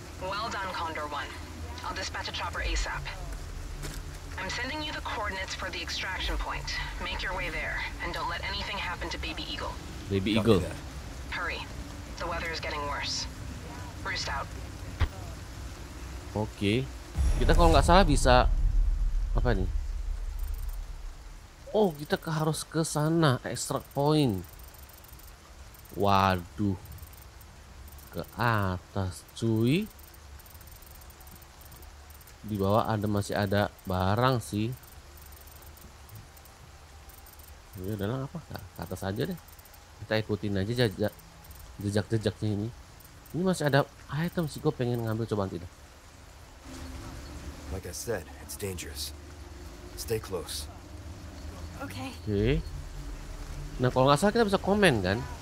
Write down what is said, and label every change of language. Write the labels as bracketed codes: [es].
[en] Well done, Condor One. I'll dispatch a chopper ASAP. I'm sending you the coordinates for the extraction point. Make your way there and don't let anything happen to Baby Eagle. Baby Eagle. Hurry. The weather is getting worse. Bruce out. [id] Oke. Kita kalau enggak salah bisa apa nih? Oh, kita harus ke sana, extra point. Waduh. Ke atas, cuy. Di bawah masih ada barang sih. Ini adalah apa? Ke atas aja deh. Kita ikutin aja jejak-jejaknya ini. Ini masih ada item sih, gue pengen ngambil coba nanti deh. [en] Like I said, it's dangerous. Stay close. Okay. Okay. [id] Nah kalau nggak salah kita bisa komen kan?